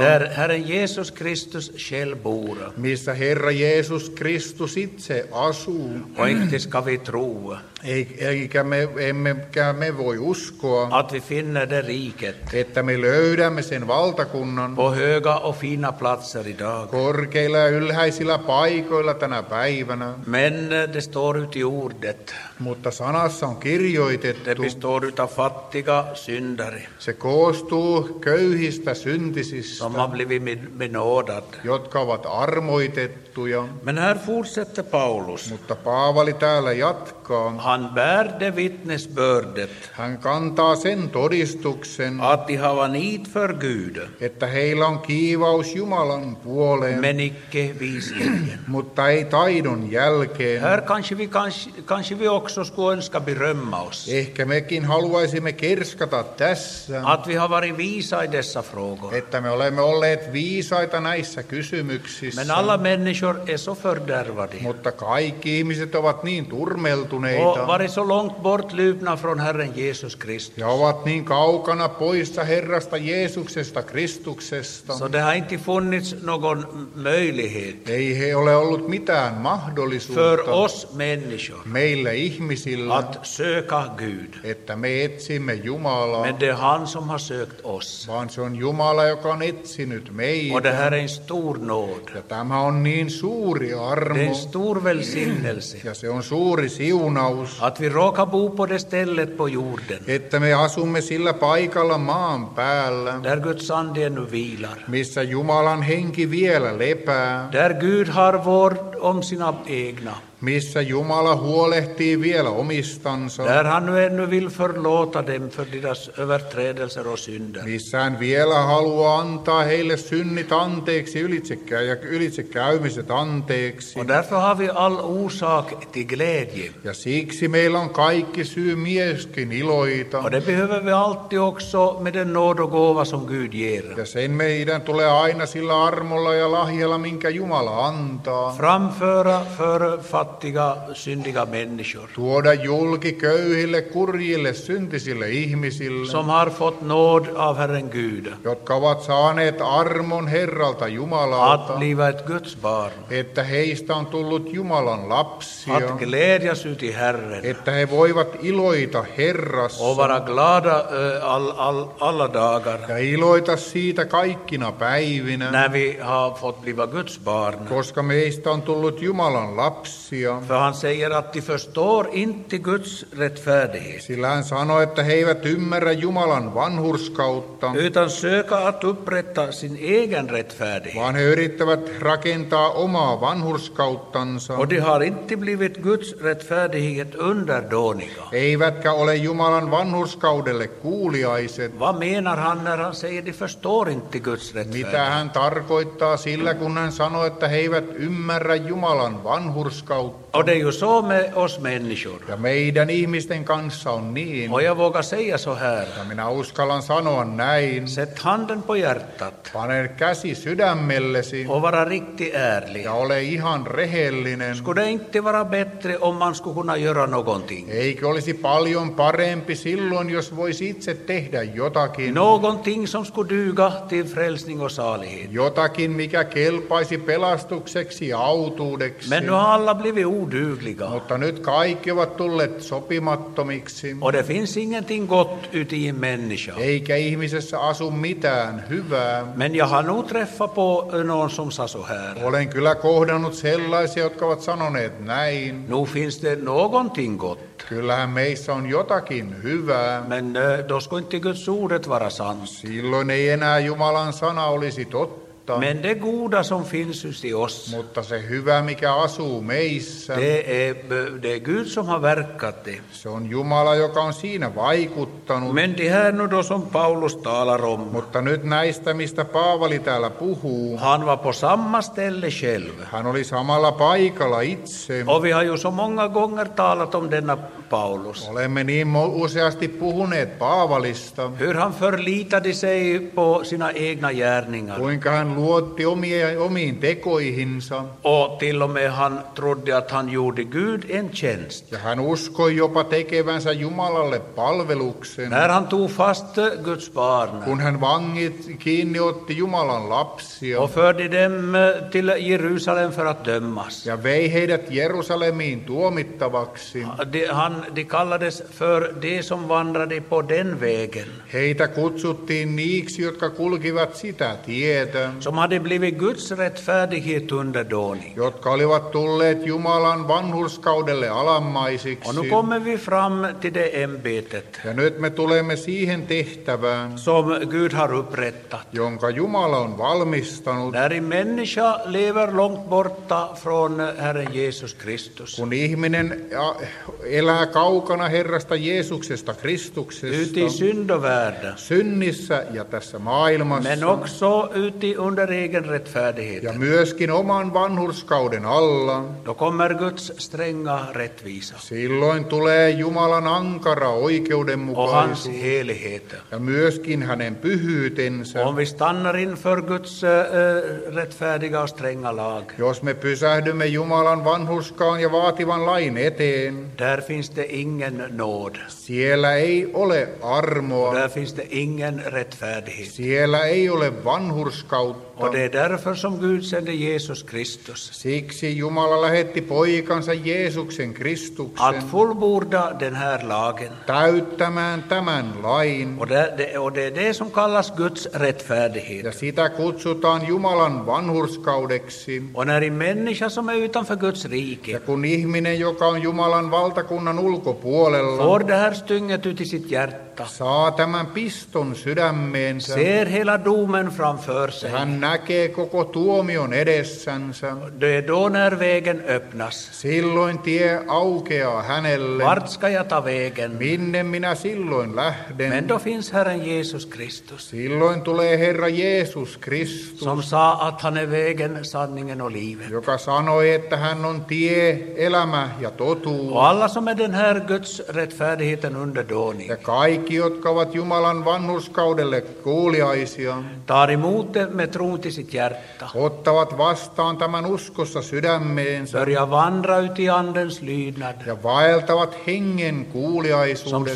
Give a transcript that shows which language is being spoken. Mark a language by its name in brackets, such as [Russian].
[Swedish] Där Herren Jesus Kristus själv bor. [Finnish] Missä Herra Jeesus Kristus itse asuu. [Swedish] Och inte ska vi tro. [Finnish] Eikä me emmekään me voi uskoa, [Swedish] att vi finner det riket, [Finnish] että me löydämme sen valtakunnan [Swedish] på höga och fina platser idag. [Finnish] Korkeilla ja ylhäisillä paikoilla tänä päivänä. [Swedish] Men det står ut i ordet. [Finnish] Mutta sanassa on kirjoitettu. [Swedish] Det består av fattiga syndare. [Finnish] Se koostuu köyhistä syntisistä. [Swedish] Som har blivit benådat. [Finnish] Jotka ovat armoitettuja. [Swedish] Men här fortsätter Paulus. [Finnish] Mutta Paavali täällä jatkaa. [Swedish] Han bär det vittnesbördet. [Finnish] Hän kantaa sen todistuksen. [Swedish] Att de har nit för Gud. [Finnish] Että heillä on kiivaus Jumalan puoleen. [Swedish] Men icke visligen. [Finnish] Mutta ei taidon jälkeen. [Swedish] Här kanske vi också skulle önska berömma oss. [Finnish] Ehkä mekin haluaisimme kerskata tässä. [Swedish] Att vi har varit visa i dessa frågor. [Finnish] Että me olemme olleet viisaita näissä kysymyksissä. [Swedish] Men alla människor är så fördärvade. [Finnish] Mutta kaikki ihmiset ovat niin turmeltuneita. [Swedish] Och varit så långt bort lypna från Herren Jesus Kristus. [Finnish] Ja ovat niin kaukana poissa Herrasta Jeesuksesta Kristuksesta. [Swedish] Så det har inte funnits någon möjlighet. [Finnish] Ei he ole ollut mitään mahdollisuutta. [Swedish] För oss människor. [Finnish] Meille ihmisille. ihmisillä, [Swedish] att söka Gud, [Finnish] että me etsimme Jumalaa, [Swedish] men det är han som har sökt oss. [Finnish] Vaan se on Jumala, joka on etsinyt meitä. [Swedish] Och det här är en stor nåd. [Finnish] Ja tämä on niin suuri armo. [Swedish] Det är en stor välsignelse. [Finnish] Ja se on suuri siunaus. [Swedish] Att vi råkar bo på det stället på jorden. [Finnish] Että me asumme sillä paikalla maan päällä. [Swedish] Där Guds ande ännu vilar. [Finnish] Missä Jumalan henki vielä lepää. [Swedish] Där Gud har vård om sina egna. [Finnish] Missä Jumala huolehtii vielä omistansa. [Swedish] Där han nu ännu vill förlåta dem för deras överträdelser och synder. [Finnish] Missä hän vielä haluaa antaa heille synnit anteeksi ylitsekäymiset anteeksi. [Swedish] Och därför har vi all orsak till glädje. [Finnish] Ja siksi meillä on kaikki syy myöskin iloita. [Swedish] Och det behöver vi alltid också med den nåd och gåva som Gud ger. [Finnish] Ja sen meidän tulee aina sillä armolla ja lahjalla, minkä Jumala antaa. [Swedish] Framföra för fattiga, syndiga människor. [Finnish] Tuoda julki köyhille, kurjille, syntisille ihmisille. [Swedish] Som har fått nåd av Herren Gud. [Finnish] Jotka ovat saaneet armon Herralta Jumalalta. [Swedish] Att bliva ett Guds barn. [Finnish] Että heistä on tullut Jumalan lapsia. [Swedish] Att glädjas ut i Herren. [Finnish] Että he voivat iloita Herrassa. [Swedish] Och vara glada alla dagar. [Finnish] Ja iloita siitä kaikkina päivinä. [Swedish] När vi har fått bliva Guds barn. [Finnish] Koska meistä on tullut Jumalan lapsia. [Swedish] För han säger att de förstår inte Guds rättfärdighet. [Finnish] Sillä hän sanoi, että he eivät ymmärrä Jumalan vanhurskautta. [Swedish] Utan söka att upprätta sin egen rättfärdighet. [Finnish] Vaan he yrittävät rakentaa omaa vanhurskauttansa. [Swedish] Och de har inte blivit Guds rättfärdighet underdåniga. [Finnish] Eivätkä ole Jumalan vanhurskaudelle kuuliaiset. [Swedish] Vad menar han när han säger de förstår inte Guds rättfärdighet? [Finnish] Mitä hän tarkoittaa sillä, kun hän sanoi, että he eivät ymmärrä Jumalan vanhurskautta? [Swedish] Och det är ju så med oss människor. [Finnish] Ja meidän ihmisten kanssa on niin. [Swedish] Och jag vågar säga så här. [Finnish] Ja minä uskallan sanoa näin. [Swedish] Sätt handen på hjärtat. [Finnish] Pane käsi sydämellesi. [Swedish] Och vara riktigt ärlig. [Finnish] Ja ole ihan rehellinen. [Swedish] Skulle det inte vara bättre om man skulle kunna göra någonting? [Finnish] Eikö olisi paljon parempi silloin, jos voisi itse tehdä jotakin? [Swedish] Någonting som skulle duga till frälsning och salighet. [Finnish] Jotakin, mikä kelpaisi pelastukseksi ja autuudeksi. [Swedish] Men nu alla blivit odugliga. [Finnish] Mutta nyt kaikki ovat tulleet sopimattomiksi. [Swedish] Och det finns ingenting gott ute i människa. [Finnish] Eikä ihmisessä asu mitään hyvää. [Swedish] Men jag har nog träffat på någon som sa så här. [Finnish] Olen kyllä kohdannut sellaisia, jotka ovat sanoneet näin. [Swedish] Nu finns det någonting gott. [Finnish] Kyllähän meissä on jotakin hyvää. [Swedish] Men då ska inte Guds ordet vara sant. [Finnish] Silloin ei enää Jumalan sana olisi totta. [Swedish] Men det goda som finns just i oss. [Finnish] Mutta se hyvä, mikä asuu meissä. [Swedish] Det är Gud som har verkat det. [Finnish] Se on Jumala, joka on siinä vaikuttanut. [Swedish] Men det här nu då som Paulus talar om. [Finnish] Mutta nyt näistä, mistä Paavali täällä puhuu. [Swedish] Han var på samma ställe själv. [Finnish] Hän oli samalla paikalla itse. [Swedish] Och vi har ju så många gånger talat om denna Paulus. [Finnish] Olemme niin useasti puhuneet Paavalista. [Swedish] Hur han förlitade sig på sina egna gärningar. [Finnish] Kuinka hän luotti omiin tekoihinsa. [Swedish] Och till och med han trodde att han gjorde Gud en tjänst. [Finnish] Ja hän uskoi jopa tekevänsä Jumalalle palveluksen. [Swedish] När han tog fast Guds barn. [Finnish] Kun hän kiinni otti Jumalan lapsia. [Swedish] Och förde dem till Jerusalem för att dömas. [Finnish] Ja vei heidät Jerusalemiin tuomittavaksi. [Swedish] De kallades för de som vandrade på den vägen. [Finnish] Heitä kutsuttiin niiksi, jotka kulkivat sitä tietä. [Swedish] Som hade blivit Guds rättfärdighet underdånig. [Finnish] Jotka olivat tulleet Jumalan vanhurskaudelle alamaisiksi. [Swedish] Och nu kommer vi fram till det ämbetet. [Finnish] Ja nyt me tulemme siihen tehtävään. [Swedish] Som Gud har upprättat. [Finnish] Jonka Jumala on valmistanut. [Swedish] Där en människa lever långt borta från Herren Jesus Kristus. [Finnish] Kun ihminen elää kaukana Herrasta Jeesuksesta Kristuksesta. [Swedish] Yti syndovärda. [Finnish] Synnissä ja tässä maailmassa. [Swedish] Men också yti under egen rättfärdighet. [Finnish] Ja myöskin oman vanhurskauden alla. [Swedish] Då kommer Guds stränga rättvisa. [Finnish] Silloin tulee Jumalan ankara oikeudenmukaisuus. [Swedish] Och hans helighet. [Finnish] Ja myöskin hänen pyhyytensä. [Swedish] Om vi stannar inför Guds rättfärdiga och stränga lag. [Finnish] Jos me pysähdymme Jumalan vanhurskaan ja vaativan lain eteen. [Swedish] Där finns det ingen nåd. [Finnish] Siellä ei ole armoa. [Swedish] Där finns det ingen rättfärdighet. [Finnish] Siellä ei ole vanhurskautta. [Swedish] Och det är därför som Gud sände Jesus Kristus. [Finnish] Siksi Jumala lähetti poikansa Jeesuksen Kristuksen. [Swedish] Att fullborda den här lagen. [Finnish] Täyttämään tämän lain. [Swedish] Och det som kallas Guds rättfärdighet. [Finnish] Ja sitä kutsutaan Jumalan vanhurskaudeksi. [Swedish] Och när en människa som är utanför Guds rike. [Finnish] Ja kun ihminen, joka on Jumalan valtakunnan ulkopuolella. [Swedish] Får det här stynget ut i sitt hjärta. [Finnish] Saa tämän piston sydämeensä. [Swedish] Ser hela domen framför sig. [Finnish] Hän näkee koko tuomion edessänsä. [Swedish] Det är då när vägen öppnas. [Finnish] Silloin tie aukeaa hänelle. [Swedish] Vart ska jag ta vägen? [Finnish] Minne minä silloin lähden? [Swedish] Men då finns Herren Jesus Kristus. [Finnish] Silloin tulee Herra Jeesus Kristus. [Swedish] Som sa att han är vägen, sanningen och livet. [Finnish] Joka sanoi, että hän on tie, elämä ja totuus. [Swedish] Och alla som är den här Guds rättfärdigheten under dåning. [Finnish] Ja kaikki, jotka ovat Jumalan vanhurskaudelle kuuliaisia. Tari muuten me truutisit järttä. Ottavat vastaan tämän uskossa sydämeensä. [Swedish] Börja vandrauti andens lydnad. [Finnish] Ja vaeltavat hengen kuuliaisuudessa.